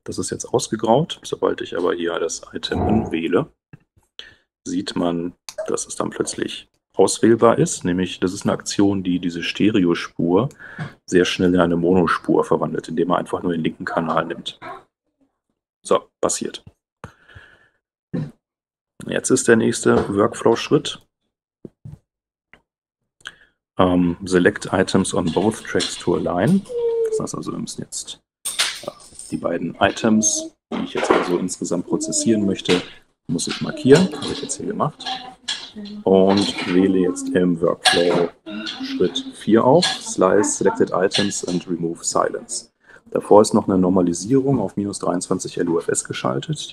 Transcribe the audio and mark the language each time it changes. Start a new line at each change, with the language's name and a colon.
German: Das ist jetzt ausgegraut. Sobald ich aber hier das Item wähle, sieht man, dass es dann plötzlich auswählbar ist. Nämlich, das ist eine Aktion, die diese Stereospur sehr schnell in eine Monospur verwandelt, indem man einfach nur den linken Kanal nimmt. So, passiert. Jetzt ist der nächste Workflow-Schritt.
English: Select items on both tracks to align.
German: Das heißt also, wir müssen jetzt die beiden Items, die ich jetzt also insgesamt prozessieren möchte, muss ich markieren, habe ich jetzt hier gemacht. Und wähle jetzt im Workflow Schritt 4 auf.
English: Slice selected items and remove silence.
German: Davor ist noch eine Normalisierung auf minus 23 LUFS geschaltet.